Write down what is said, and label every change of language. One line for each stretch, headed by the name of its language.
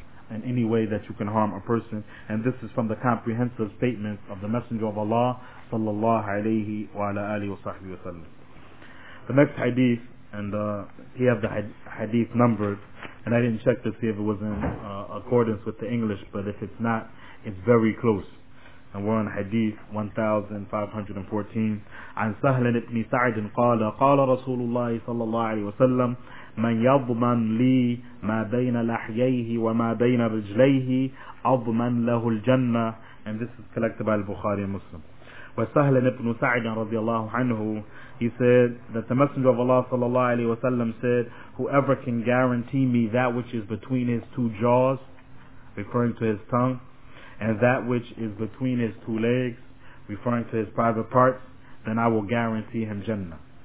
English: In any way that you can harm a person. And this is from the comprehensive statement of the Messenger of Allah, sallallahu alayhi wa ala alihi wa sahbihi wa sallam. The next hadith, and he have the hadith numbered, and I didn't check to see if it was in accordance with the English, but if it's not, it's very close. And we're on hadith 1514.
Arabic: عن سهل بن سعد قال قال رسول الله صلى الله عليه وسلم من يضمن لي ما بين لحييه وما بين رجليه أضمن له الجنة.
English: And this is collected by البخاري المسلم. وسهل بن سعد رضي الله عنه, he said that the Messenger of Allah صلى الله عليه وسلم said, whoever can guarantee me that which is between his two jaws, referring to his tongue, and that which is between his two legs, referring to his private parts, then I will guarantee him Jannah.